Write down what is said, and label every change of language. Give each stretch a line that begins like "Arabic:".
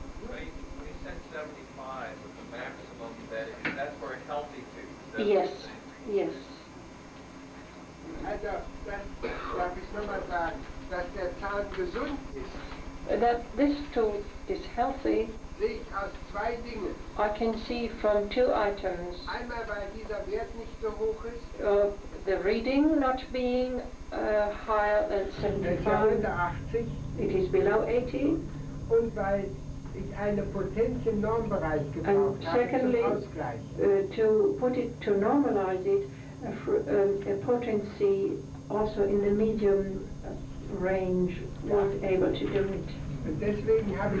English: We said 75 was the maximum that is, that's for a healthy tooth. Yes, yes.
German: Also, darf ich nochmal sagen, dass der Zahn gesund ist.
English: That this tooth is healthy,
German: sehe ich aus zwei Dingen.
English: I can see from two items.
German: Einmal, weil dieser Wert nicht so hoch ist.
English: The reading not being higher than 75.
German: Unter 80.
English: It is below 80.
German: Und weil ich eine Potenz im Normbereich gebraucht habe.
English: And secondly, to put it, to normalize it, a potency also in the medium range was able to do it.